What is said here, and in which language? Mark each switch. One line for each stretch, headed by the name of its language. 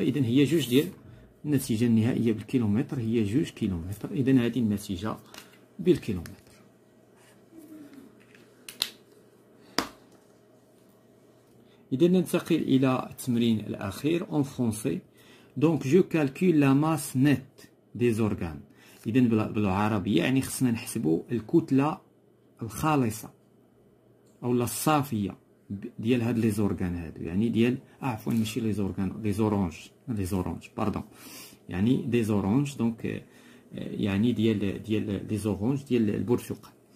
Arabic: إذا هي جوج ديال النتيجة النهائية بالكيلومتر هي جوج كيلومتر. إذا هذه النتيجة بالكيلومتر. إذا ننتقل إلى التمرين الأخير
French: en français. Donc je calcule la masse nette des organes.
Arabic: إذا بالعربية يعني خصنا نحسبو الكتلة الخالصة أو الصافية ديال هاد لي زورغان هادو، يعني ديال عفوا ماشي لي زورغان، لي زورونج، لي زورونج باردون، يعني دي زورونج دونك يعني ديال لي زورونج ديال البرتقال.